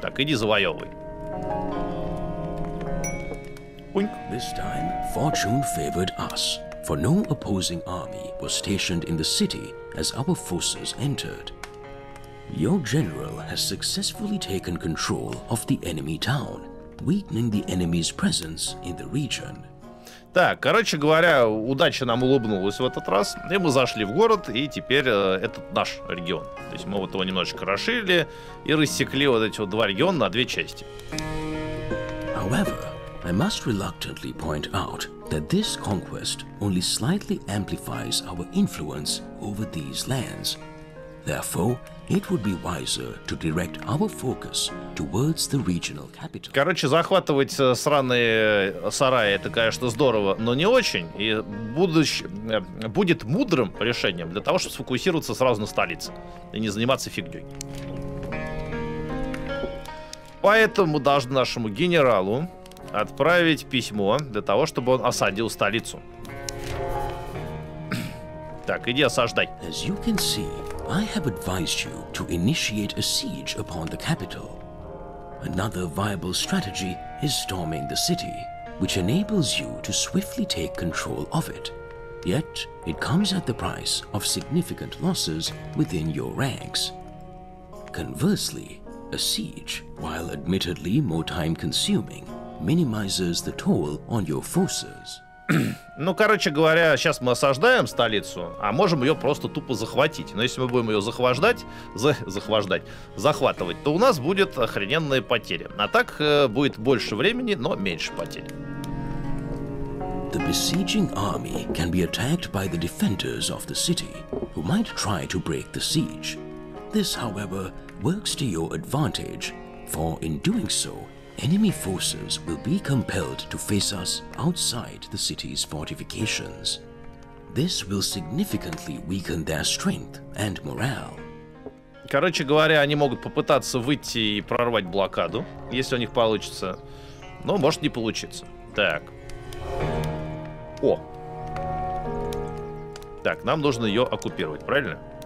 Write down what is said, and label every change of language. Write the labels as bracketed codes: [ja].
[ru] Так, иди завоевывай. Уньк. [en] This time fortune favored us, for no opposing army was stationed in the city as our forces entered. Your general has successfully taken control of the enemy town, weakening the enemy's presence in the region. [ru] Так, короче говоря, удача нам улыбнулась в этот раз, и мы зашли в город, и теперь этот наш регион. То есть мы вот его немножечко расширили и рассекли вот эти вот два региона на две части. [en] However, I must reluctantly point out that this conquest only slightly amplifies our influence over these lands. Therefore, it would be wiser to direct our focus towards the regional capital. [ru] Короче, захватывать сраные сараи это, конечно, здорово, но не очень. И будет мудрым решением для того, чтобы сфокусироваться сразу на столице и не заниматься фигней. Поэтому должны нашему генералу отправить письмо для того, чтобы он осадил столицу. Так, иди осаждай. [en] As you can see, I have advised you to initiate a siege upon the capital. Another viable strategy is storming the city, which enables you to swiftly take control of it. Yet, it comes at the price of significant losses within your ranks. Conversely, a siege, while admittedly more time-consuming, minimizes the toll on your forces. [ru] Ну, короче говоря, сейчас мы осаждаем столицу, а можем ее просто тупо захватить. Но если мы будем ее захватывать, то у нас будет охрененные потери. А так будет больше времени, но меньше потерь. [en] The besieging army can be attacked by the defenders of the city, who might try to break the siege. This, however, works to your advantage, for in doing so, enemy forces will be compelled to face us outside the city's fortifications. This will significantly weaken their strength and morale. [ru] Короче говоря, они могут попытаться выйти и прорвать блокаду, если у них получится. Но может не получиться. Так. О. Так, нам нужно ее оккупировать, правильно?